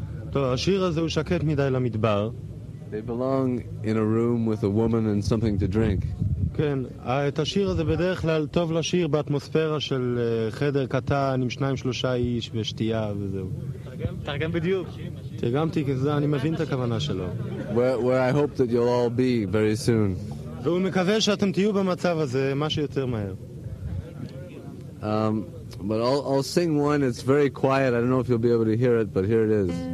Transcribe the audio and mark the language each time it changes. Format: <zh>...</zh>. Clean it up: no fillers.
<he>טוב, השיר הזה הוא שקט מדי למדבר.</he> <en>They belong in a room with a woman and something to drink.</en> <he>כן, את השיר הזה בדרך כלל טוב לשיר באטמוספירה של חדר קטן עם שניים שלושה איש ושתייה וזהו. תרגם בדיוק. תרגמתי, כי זה אני מבין את הכוונה שלו.</he> <en>Where I hope that you'll all be very soon.</en> <he>והוא מקווה שאתם תהיו במצב הזה מה שיותר מהר.</he> <en>But I'll sing one, it's very quiet, I don't know if you'll be able to hear it, but here it is.</en>